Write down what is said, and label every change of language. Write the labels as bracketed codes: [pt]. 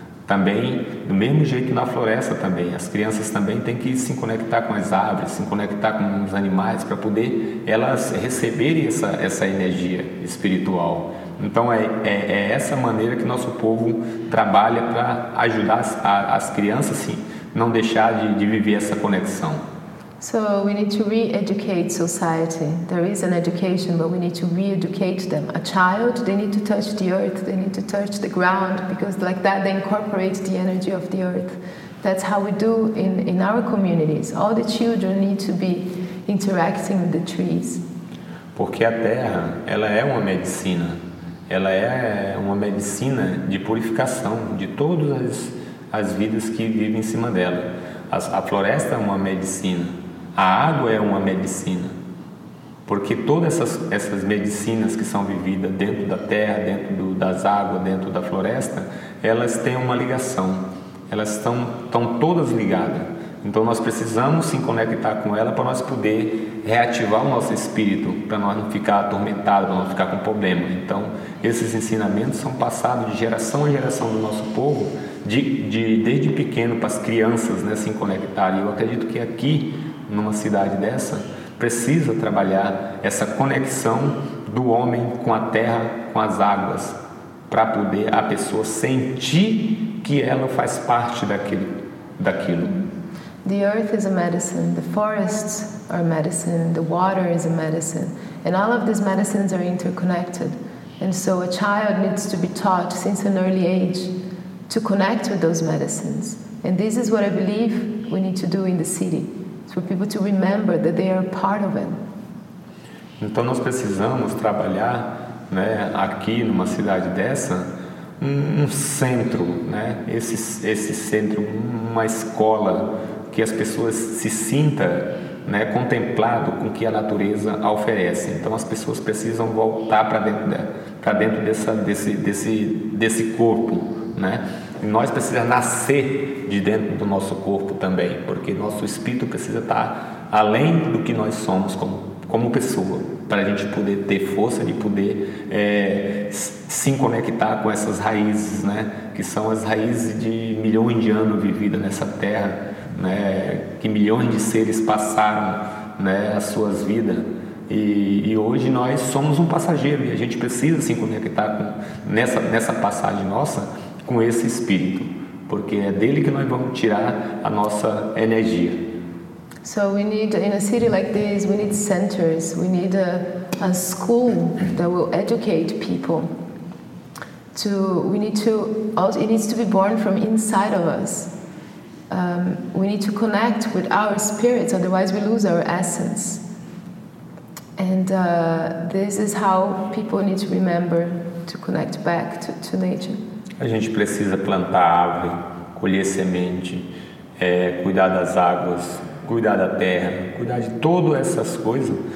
[pt] Também, do mesmo jeito na floresta também. As crianças também têm que se conectar com as árvores, se conectar com os animais, para poder elas receberem essa energia espiritual. Então, é essa maneira que nosso povo trabalha para ajudar as crianças, sim, não deixar de viver essa conexão. [en] So, we need to re-educate society. There is an education, but we need to re-educate them. A child, they need to touch the earth, they need to touch the ground, because like that they incorporate the energy of the earth. That's how we do in our communities. All the children need to be interacting with the trees. [pt] Porque a terra, ela é uma medicina. Ela é uma medicina de purificação de todas as vidas que vivem em cima dela. A floresta é uma medicina, a água é uma medicina, porque todas essas medicinas que são vividas dentro da terra, dentro das águas, dentro da floresta, elas têm uma ligação, elas estão todas ligadas. Então nós precisamos se conectar com ela para nós poder reativar o nosso espírito, para nós não ficar atormentado, para não ficar com problema. Então esses ensinamentos são passados de geração em geração do nosso povo, desde pequeno para as crianças, né, se conectarem. Eu acredito que aqui, numa cidade dessa, precisa trabalhar essa conexão do homem com a terra, com as águas, para poder a pessoa sentir que ela faz parte daquilo. [en] The earth is a medicine, the forests are medicine, the water is a medicine, and all of these medicines are interconnected. And so a child needs to be taught since an early age to connect with those medicines. And this is what I believe we need to do in the city, for people to remember that they are part of it. [pt] Então nós precisamos trabalhar, né, aqui numa cidade dessa, um centro, né, esse centro, uma escola, que as pessoas se sintam, né, contemplado com o que a natureza oferece. Então as pessoas precisam voltar para dentro desse corpo, né? E nós precisamos nascer de dentro do nosso corpo também, porque nosso espírito precisa estar além do que nós somos como pessoa, para a gente poder ter força de poder se conectar com essas raízes, né, que são as raízes de milhões de anos vividas nessa terra, né, que milhões de seres passaram, né, as suas vidas, e hoje nós somos um passageiro e a gente precisa se conectar nessa passagem nossa com esse espírito, porque é dele que nós vamos tirar a nossa energia. [en] So we need, in a city like this, we need centers, we need a school that will educate people. It needs to be born from inside of us. We need to connect with our spirits, otherwise we lose our essence. And this is how people need to remember to connect back to nature. [pt] A gente precisa plantar árvore, colher semente, cuidar das águas, cuidar da terra, cuidar de todas essas coisas.